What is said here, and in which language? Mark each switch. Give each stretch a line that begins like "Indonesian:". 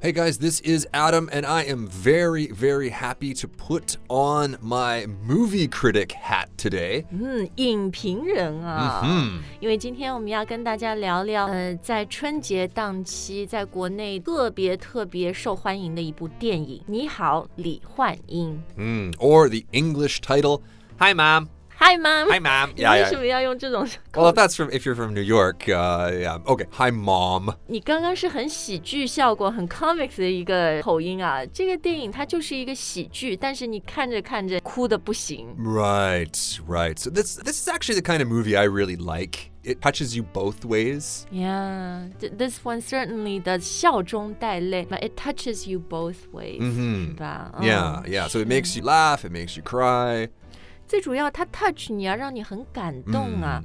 English: Hey guys, this is Adam, and I am very, very happy to put on my movie critic hat today.
Chinese: 影评人啊、 mm-hmm. 因为今天我们要跟大家聊聊、在春节档期在国内特别特别受欢迎的一部电影，你好李焕英。
English: Or the English title, Hi Mom. Hi, Mom. Hi, Mom. Why do you use this? Well, that's from, if you're from New York,、yeah. Okay, Hi, Mom. You just said a very comedy效果, a very comics
Chinese: 的一个口音啊。这个电影它就是一个喜剧，但是你看着看着哭得不行。
English: Right, right. So this is actually the kind of movie I really like. It touches you both ways. Yeah, this one certainly does
Chinese: 笑中带泪
English: but it touches you both ways. So it makes you laugh, it makes you cry.
Chinese: 最主要它 touch 你啊，让你很感动啊。